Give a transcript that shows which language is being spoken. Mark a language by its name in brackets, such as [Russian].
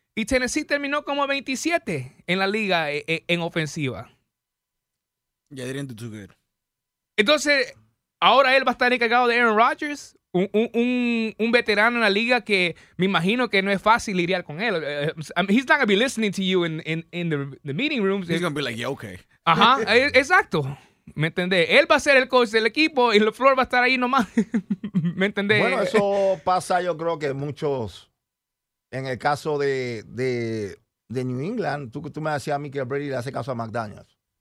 [Spanish] Y Tennessee terminó como 27 en la liga en ofensiva. [English] Yeah, they didn't do too good. [Spanish] Entonces, ahora él va a estar encargado de Aaron Rodgers. Un veterano en la liga que me imagino que no es fácil lidiar con él. [English] He's not going to be listening to you in the meeting rooms. He's going to be like, yeah, okay. [Spanish] Ajá, exacto. ¿Me entendés? Él va a ser el coach del equipo y LaFleur va a estar ahí nomás. ¿Me entendés? Bueno, eso pasa, yo creo que muchos, en el caso de New England, tú me decías a mí que Brady le hace caso a McDaniels.